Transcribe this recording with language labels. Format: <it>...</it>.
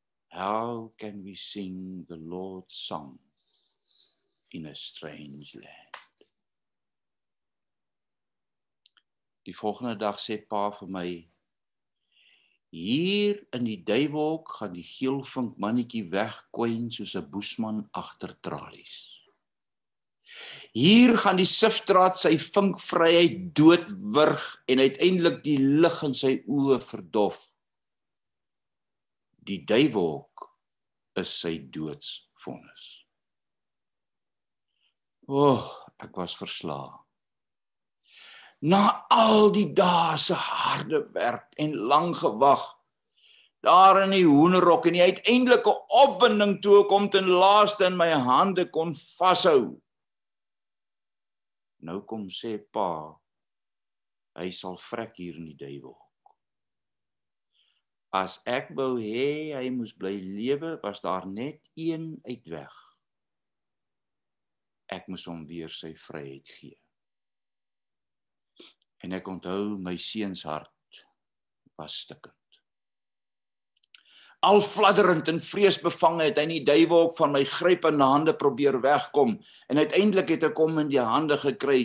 <en>How can we sing the Lord's song in a strange land?</en> <af>Die volgende dag sê pa vir my, hier in die duiwolk gaan die geelvink mannetjie wegkwyn soos 'n boesman agter tralies. Hier gaan die sifdraad sy vinkvryheid doodwurg en uiteindelik die lig in sy oë verdof. Die duiwolk is sy doodsvonnis. O, ek was verslae. Na al die dae se harde werk en lang gewag, daar in die hoenderhok en die uiteindelike opwinding toe ek hom ten laaste in my hande kon vashou. Nou kom sê pa, hy sal vrek hier in die duiwolk. As ek wou hê hy moes bly lewe, was daar net een uitweg. Ek moes hom weer sy vryheid gee. En ek onthou my seuns hart was stikkend. Al fladderend en vreesbevange het hy in die duiwolk van my gryp en hande probeer wegkom en uiteindelik het ek hom in die hande gekry.</af>